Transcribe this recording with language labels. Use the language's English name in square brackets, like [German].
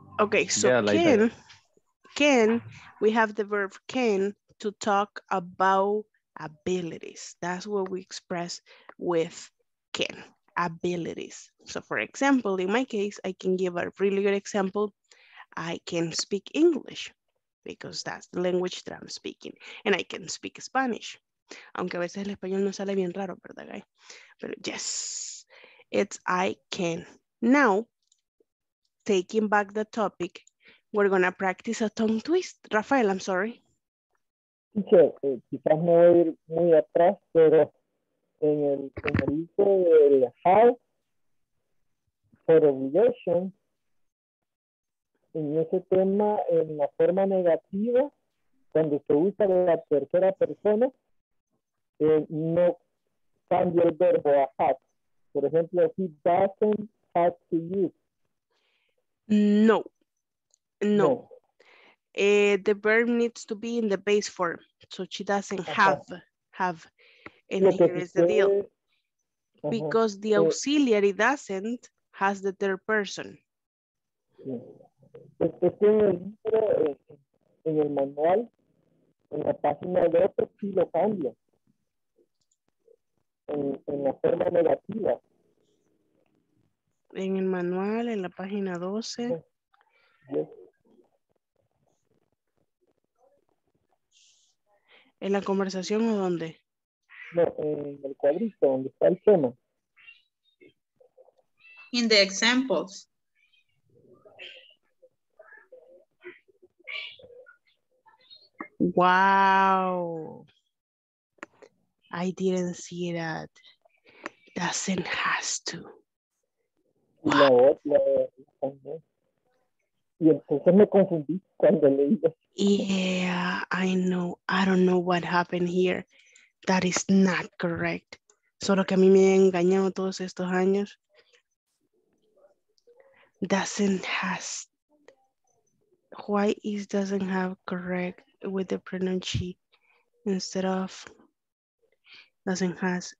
[English] Okay, so yeah, we have the verb can to talk about abilities. That's what we express with can, abilities. So for example, in my case, I can give a really good example. I can speak English because that's the language that I'm speaking, and I can speak Spanish. [Spanish] Aunque a veces el español no sale bien raro, ¿verdad, guy? [English] But yes, it's I can. Now, taking back the topic, we're going to practice a tongue twist. Rafael, I'm sorry. [Spanish] Teacher, quizás me voy muy atrás, pero en el libro del how, por obligation, en ese tema, en la forma negativa, cuando se usa la tercera persona, no cambia el verbo a had. Por ejemplo, [English] he doesn't have to use. No. No. The verb needs to be in the base form. So she doesn't have. And here is the deal. Because the auxiliary doesn't has the third person. [Spanish] En el libro, en el manual, en la página de otro, sí lo cambia. En la forma negativa. En el manual, en la página 12. ¿En la conversación o dónde? No, en el cuadrito, donde está el tema. [English] In the examples. Wow. I didn't see that. Doesn't has to. Wow. [Spanish] Y entonces me confundí cuando leí. [English] Yeah, I know. I don't know what happened here. That is not correct. [Spanish] Solo que a mí me he engañado todos estos años. [English] Doesn't has. Why is doesn't have correct with the pronunciation instead of doesn't has?